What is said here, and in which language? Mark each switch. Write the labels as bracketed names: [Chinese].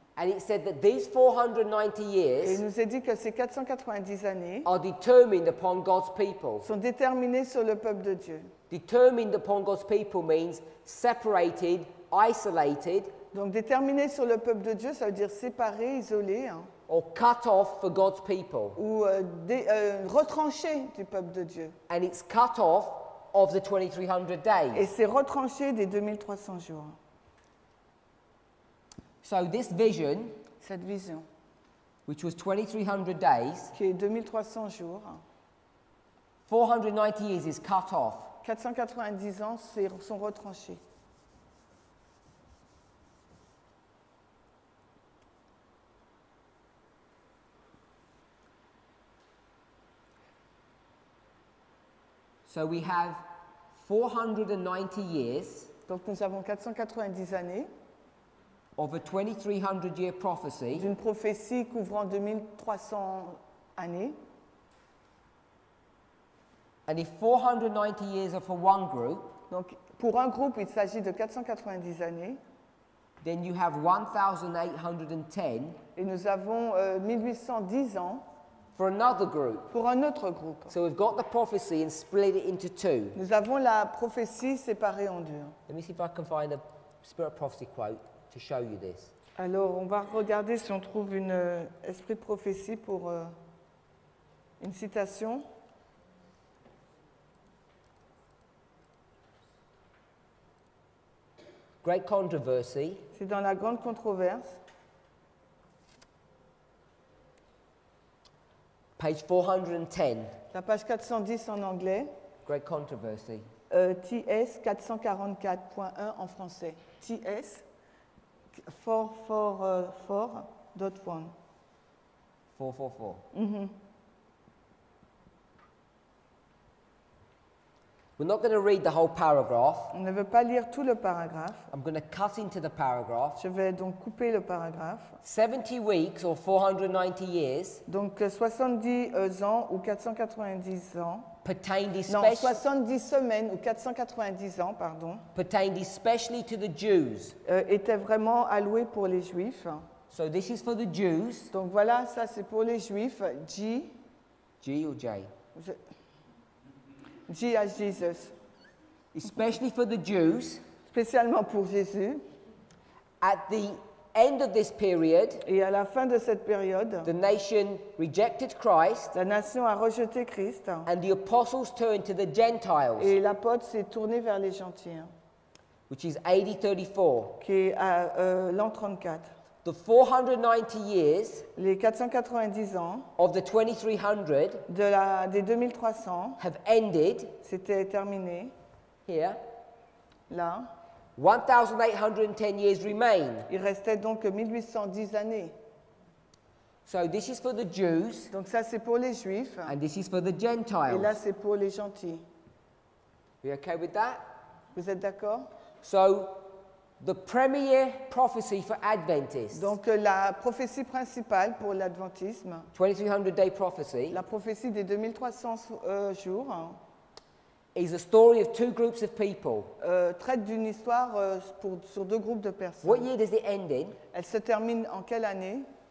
[English] And it said that these 490 years. [French] Et il nous a dit que ces 490 années. [English] Are determined upon God's people. [French] Sont déterminées sur le peuple de Dieu. [English] Determined upon God's people means separated, isolated. [French] Donc déterminées sur le peuple de Dieu, ça veut dire séparées, isolées. Hein. [English] Or cut off for God's people. [French] Ou retranché du peuple de Dieu. [English] And it's cut off of the 2300 days. [French] Et c'est retranché des 2300 jours. [English] So this vision, [French] cette vision, [English] which was 2300 days, [French] qui est 2300 jours, [English] 490 years is cut off. [French] 490 ans sont retranchés. [English] So we have 490 years. [French] Donc nous avons 490 années. [English] Of a 2300 year prophecy. [French] D'une prophétie couvrant 2300 années. [English] And if 490 years are for one group. [French] Donc pour un groupe il s'agit de 490 années. [English] Then you have 1810. [French] Et nous avons 1810 ans. [English] For another group. [French] Pour un autre groupe. [English] So we've got the prophecy and split it into two. [French] Nous avons la prophétie séparée en deux. [English] Let me see if I can find a spirit of prophecy quote to show you this. [French] Alors, on va regarder si on trouve une esprit de prophétie pour une citation. [English] Great controversy. [French] C'est dans la grande controverse. [English] Page 410. [French] La page 410 en anglais. [English] Great controversy. [French] TS 444.1 en français. TS 444.1. 4:4. [English] We're not going to read the whole paragraph. [French] On ne veut pas lire tout le paragraphe. [English] I'm going to cut into the paragraph. [French] Je vais donc couper le paragraphe. [English] 70 weeks or 490 years. [French] Donc 70 ans ou 490 ans. [English] Pertained especially. [French] Non, 70 semaines ou 490 ans, pardon. [English] Pertained especially to the Jews. [French] Était vraiment alloué pour les Juifs. [English] So this is for the Jews. [French] Donc voilà, ça c'est pour les Juifs. G. G ou J. [English] G as Jesus. Especially for the Jews. [French] Spécialement pour Jésus. [English] At the end of this period. [French] Et à la fin de cette période. [English] The nation rejected Christ. [French] La nation a rejeté Christ. [English] And the apostles turned to the Gentiles. [French] Et l'apôtre s'est tourné vers les gentils. [English] Which is AD 34. [French] Qui est à l'an 34. [English] The 490 years. [French] Les 490 ans. [English] Of the 2300. [French] Des 2300. [English] Have ended. [French] C'était terminé. [English] Here. [French] Là. [English] 1810 years remain. [French] Il restait donc 1810 années. [English] So this is for the Jews. [French] Donc ça c'est pour les Juifs. [English] And this is for the Gentiles. [French] Et là c'est pour les gentils. [English] We okay with that? [French] Vous êtes d'accord? [English] So. The premier prophecy for Adventists. [French] Donc la prophétie principale pour l'adventisme. [English] 2300 day prophecy. [French] La prophétie des 2300 jours. [English] Is a story of two groups of people. [French] Traite d'une histoire sur deux groupes de personnes. [English] What year does it end in? [French] Elle se termine en quelle année?